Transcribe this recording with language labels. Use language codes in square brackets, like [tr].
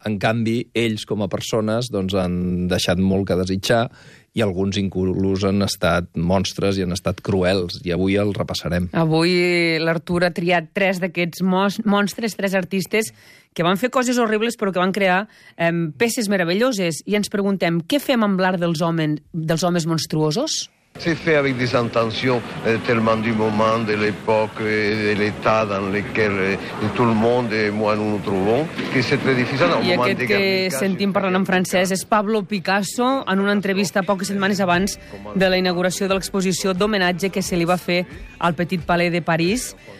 [ca] En canvi, ells, com a persones, doncs, han deixat molt que desitjar, i alguns inclús han estat monstres i han estat cruels, i avui els repassarem. Avui l'Artur ha triat tres d'aquests monstres, tres artistes, que van fer coses horribles però que van crear peces meravelloses, i ens preguntem, què fem amb l'art dels homes monstruosos? [fr] Se fait avec des intentions tellement du moment, de l'époque et de l'état dans lequel tout le monde et moi nous nous trouvons, que c'est très difficile. [ca] I aquest que sentim parlant en francès és Pablo Picasso, en una entrevista poques setmanes abans de la inauguració de l'exposició d'homenatge que se li va fer al Petit Palais de París.